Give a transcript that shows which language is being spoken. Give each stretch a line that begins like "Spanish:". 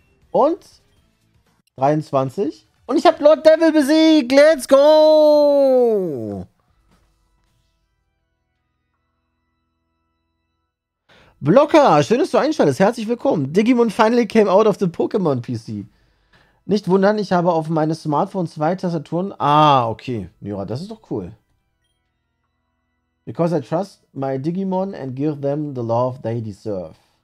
German: Und 23. Und ich habe Lord Devil besiegt.
English: Let's go.
German: Blocker, schön, dass du einschaltest. Herzlich willkommen.
English: Digimon finally came out of the Pokémon PC.
German: Nicht wundern, ich habe auf meinem Smartphone zwei Tastaturen. Ah, okay. Nura, das ist doch cool.
English: Because I trust my Digimon and give them the love they deserve.